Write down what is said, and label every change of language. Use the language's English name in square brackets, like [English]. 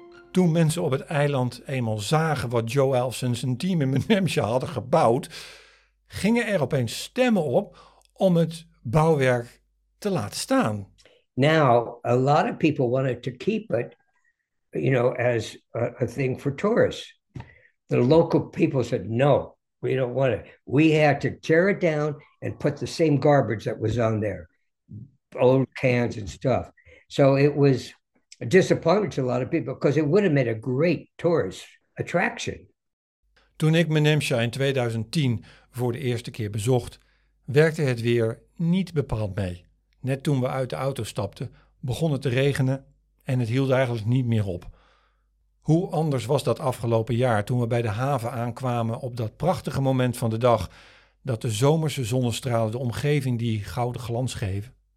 [Dutch] Toen mensen op het eiland eenmaal zagen wat Joe Elfs en zijn team in Manemsha hadden gebouwd, gingen er opeens stemmen op om het bouwwerk te laten staan. [English] Now, a lot of people wanted to keep it, you know, as a thing for tourists. The local people said, no, we don't want it. We had to tear it down and put the same garbage that was on there. Old cans and stuff. So it was a disappointment to a lot of people, because it would have made a great tourist attraction. [Dutch] Toen ik Manemsha in 2010 voor de eerste keer bezocht, werkte het weer niet bepaald mee. Net toen we uit de auto stapten, begon het te regenen en het hield eigenlijk niet meer op. Hoe anders was dat afgelopen jaar toen we bij de haven aankwamen op dat prachtige moment van de dag dat de zomerse zonnestralen de omgeving die gouden glans geven.